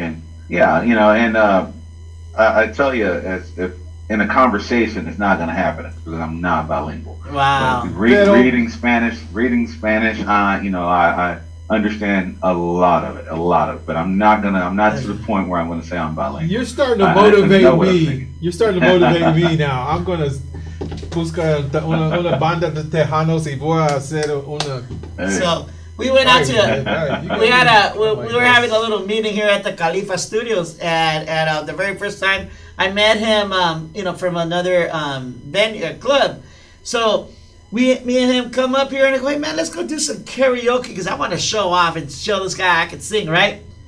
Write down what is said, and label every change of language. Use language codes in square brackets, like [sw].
[en] And yeah, you know, and I tell you, if in a conversation, it's not going to happen because I'm not bilingual. Wow. Reading Spanish, I understand a lot of it, but I'm not to the point where I'm going to say I'm bilingual. You're starting to motivate me. You're starting to motivate me now. I'm going to [es] busca una banda de tejanos y voy a hacer una. [en] So we went out to we were having a little meeting here at the Khalifa Studios, and the very first time I met him, from another venue club. So me and him come up here and I go, hey, man, let's go do some karaoke because I want to show off and show this guy I can sing, right?